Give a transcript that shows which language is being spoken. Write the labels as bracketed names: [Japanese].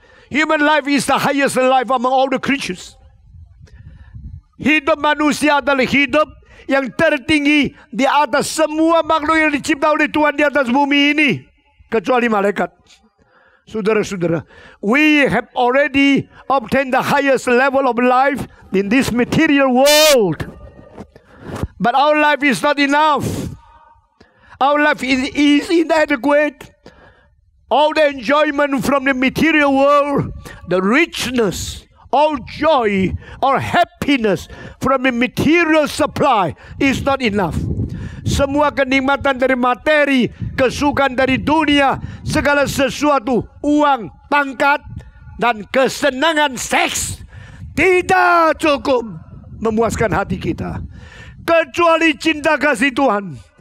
[English] Human life is the highest life among all the creatures." [Indonesian] Hidup manusia adalah hidup yang tertinggi di atas semua makhluk yang dicipta oleh Tuhan di atas bumi ini, kecuali malaikat. [English] Saudara-saudara, we have already obtained the highest level of life in this material world. But our life is not enough. Our life is inadequate. All the enjoyment from the material world, the richness, all joy, all happiness from the material supply is not enough. [Indonesian] Semua kenikmatan dari materi, kesukaan dari dunia, segala sesuatu, uang, pangkat, dan kesenangan seks tidak cukup memuaskan hati kita. Kecuali cinta kasih Tuhan.